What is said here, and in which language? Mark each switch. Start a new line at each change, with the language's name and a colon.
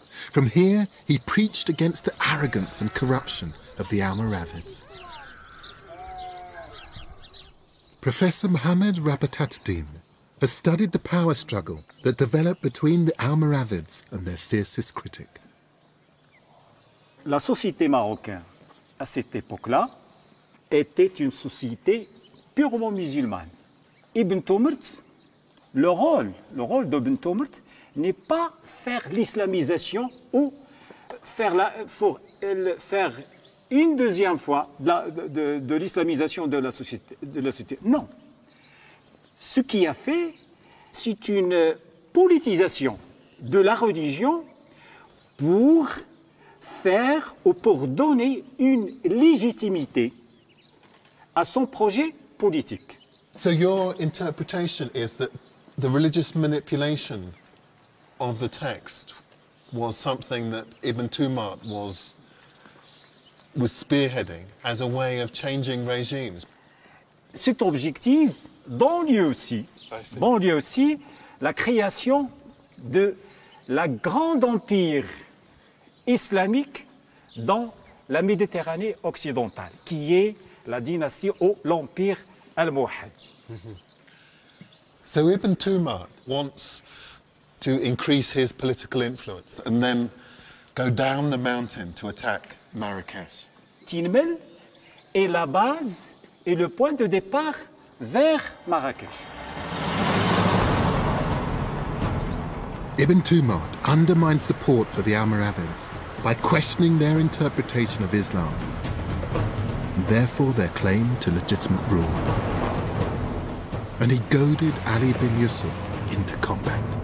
English: From here, he preached against the arrogance and corruption of the Almoravids. Professor Muhammad Rabatatdin has studied the power struggle that developed between the Almoravids and their fiercest critic.
French: La société marocaine à cette époque-là était une société purement musulmane. Ibn Tumut, le rôle d'Ibn Tumut n'est pas faire l'islamisation ou faire une deuxième fois de l'islamisation de la société. Non. Ce qui a fait, c'est une politisation de la religion pour faire ou pour donner une légitimité à son projet politique.
English: So your interpretation is that the religious manipulation of the text was something that Ibn Tumut was spearheading as a way of changing regimes.
French: Cet objectif banlieue aussi, la création de la grande empire islamique dans la Méditerranée occidentale, qui est la dynastie ou l'empire al-Mouhad.
English: So Ibn Tumut wants to increase his political influence and then go down the mountain to attack Marrakech.
French: Tin Mel est la base et le point de départ vers Marrakech.
English: Ibn Tumut undermined support for the Almoravids by questioning their interpretation of Islam, and therefore their claim to legitimate rule. And he goaded Ali bin Yusuf into combat.